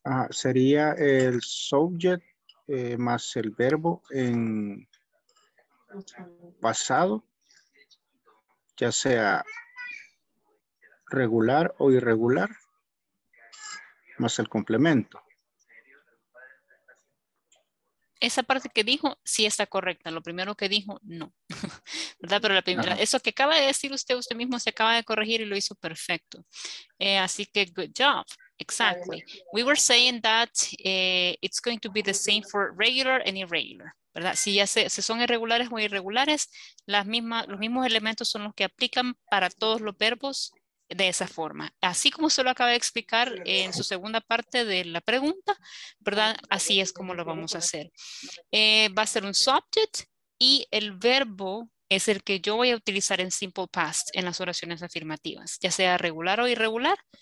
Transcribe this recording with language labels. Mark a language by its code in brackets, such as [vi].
[es] Sería el subject más el verbo en pasado, ya sea regular o irregular, más el complemento. Esa parte que dijo, sí está correcta. Lo primero que dijo, no. ¿Verdad? Pero la primera, eso que acaba de decir usted mismo se acaba de corregir y lo hizo perfecto. Así que, [en] good job. Exactly. We were saying that it's going to be the same for regular and irregular, ¿verdad? [es] Si ya se son irregulares o irregulares, los mismos elementos son los que aplican para todos los verbos de esa forma. Así como se lo acaba de explicar en su segunda parte de la pregunta, ¿verdad? Así es como lo vamos a hacer. Va a ser un subject y el verbo es el que yo voy a utilizar en simple past en las oraciones afirmativas, ya sea regular o irregular.